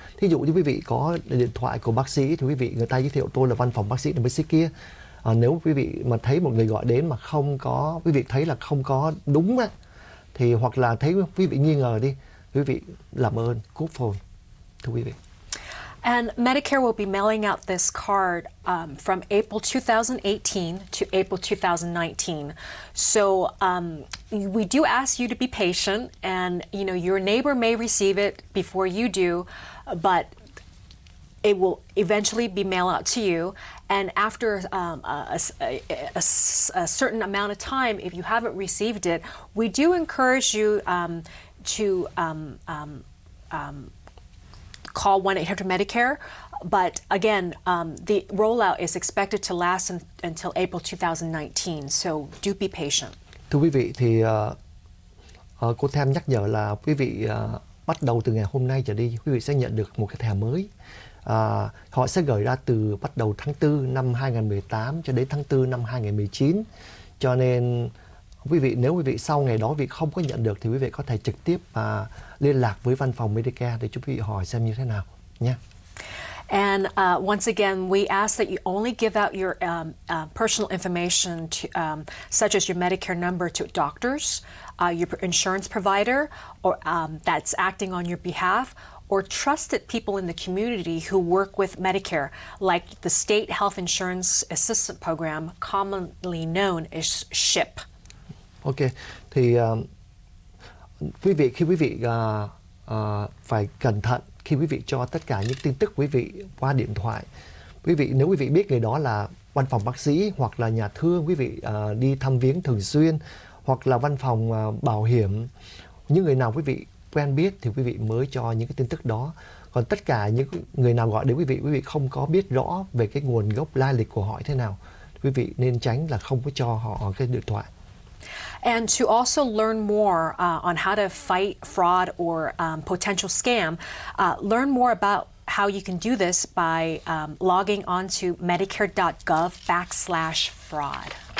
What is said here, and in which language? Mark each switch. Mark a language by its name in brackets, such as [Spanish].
[Vietnamese] Thí dụ như quý vị có điện thoại của bác sĩ, thì quý vị người ta giới thiệu tôi là văn phòng bác sĩ này bác sĩ kia. Nếu quý vị mà thấy một người gọi đến mà không có, quý vị thấy là không có đúng á, thì hoặc là thấy quý vị nghi ngờ đi, quý vị làm ơn cúp phone, thưa quý vị. [English] And Medicare will be mailing out this card from April 2018 to April 2019. So we do ask you to be patient, and you know your neighbor may receive it before you do, but it will eventually be mailed out to you. And after a certain amount of time, if you haven't received it, we do encourage you to call 1-800-MEDICARE, but again, the rollout is expected to last until April 2019, so do be patient. [Vietnamese] Thưa quý vị, thì cô Tham nhắc nhở là quý vị bắt đầu từ ngày hôm nay trở đi, quý vị sẽ nhận được một cái thẻ mới. Họ sẽ gửi ra từ bắt đầu tháng 4 năm 2018 cho đến tháng 4 năm 2019. Cho nên quý vị, nếu quý vị sau ngày đó quý vị không có nhận được, thì quý vị có thể trực tiếp liên lạc với văn phòng Medicare để chúng quý vị hỏi xem như thế nào nha. [English] And once again, we ask that you only give out your personal information to, such as your Medicare number to doctors, your insurance provider or that's acting on your behalf, or trusted people in the community who work with Medicare, like the State Health Insurance Assistance Program, commonly known as SHIP. [Vietnamese] Ok, thì quý vị, khi quý vị phải cẩn thận khi quý vị cho tất cả những tin tức quý vị qua điện thoại. Quý vị, nếu quý vị biết người đó là văn phòng bác sĩ hoặc là nhà thương, quý vị đi thăm viếng thường xuyên, hoặc là văn phòng bảo hiểm, những người nào quý vị quen biết thì quý vị mới cho những cái tin tức đó. Còn tất cả những người nào gọi đến quý vị không có biết rõ về cái nguồn gốc lai lịch của họ thế nào, quý vị nên tránh là không có cho họ cái điện thoại. [English] And to also learn more on how to fight fraud or potential scam, learn more about how you can do this by logging on to medicare.gov/fraud.